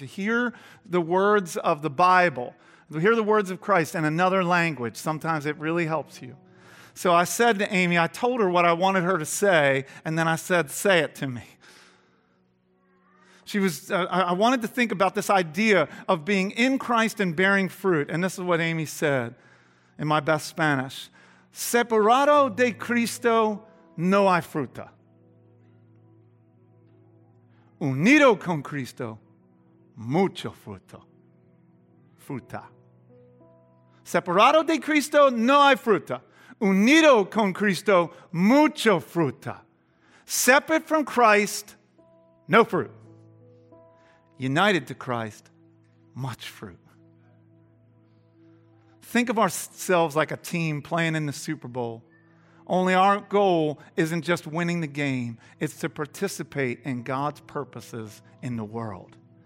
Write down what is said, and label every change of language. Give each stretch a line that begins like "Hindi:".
English: You hear the words of the Bible. You hear the words of Christ in another language. Sometimes it really helps you. So I said to Amy, I told her what I wanted her to say, and then I said, say it to me. I wanted to think about this idea of being in Christ and bearing fruit. And this is what Amy said in my best Spanish.
Spanish: Separado de Cristo, no hay fruta. Unido con Cristo, mucho fruto. Fruta. Separado de Cristo, no hay fruta. Unido con Cristo, mucho fruta.
English: Separate from Christ, no fruit. United to Christ, much fruit. Think of ourselves like a team playing in the Super Bowl. Only our goal isn't just winning the game. It's to participate in God's purposes in the world.